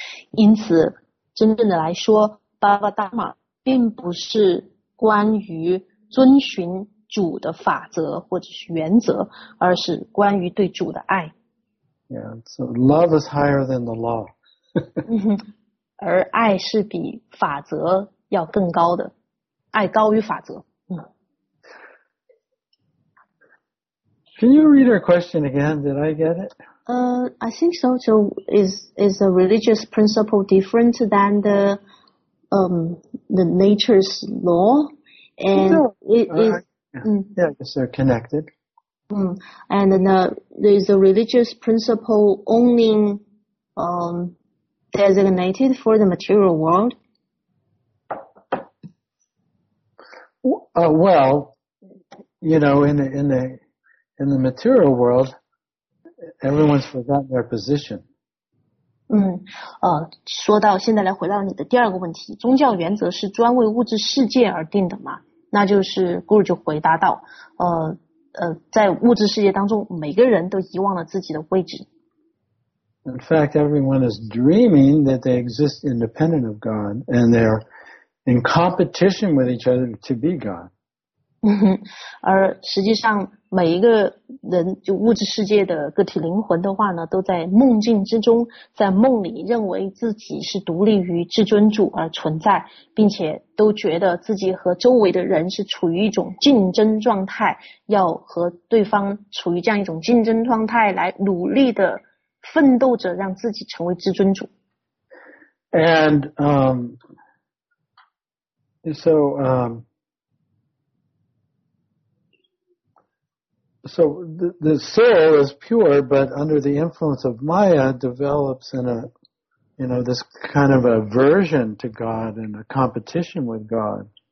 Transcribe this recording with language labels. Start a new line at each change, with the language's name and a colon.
Chinese: 因此真正的来说 Bhagavad Dharma 并不是关于遵循主的法则或者是原则，而是关于对主的爱。
English: Yeah, so love is higher than the law.
Chinese: 而爱是比法则要更高的，爱高于法则。
English: Can you read your question again? Did I get it? I think so. So is a religious principle different than the nature's law? And yes, they're connected. And is a religious principle only designated for the material world? Well, you know, in the material world,everyone's forgotten their position.
Chinese: 说到现在来回到你的第二个问题，宗教原则是专为物质世界而定的吗？那就是 Guru 就回答到，在物质世界当中，每个人都遗忘了自己的位置。
English: In fact, everyone is dreaming that they exist independent of God, and they're in competition with each other to be God.
Chinese: 而实际上，每一个人就物质世界的个体灵魂的话呢，都在梦境之中，在梦里认为自己是独立于至尊主而存在，并且都觉得自己和周围的人是处于一种竞争状态，要和对方处于这样一种竞争状态来努力的奋斗着让自己成为至尊主。
English: And So the soul is pure, but under the influence of Maya develops in a, you know, this kind of aversion to God and a competition with God.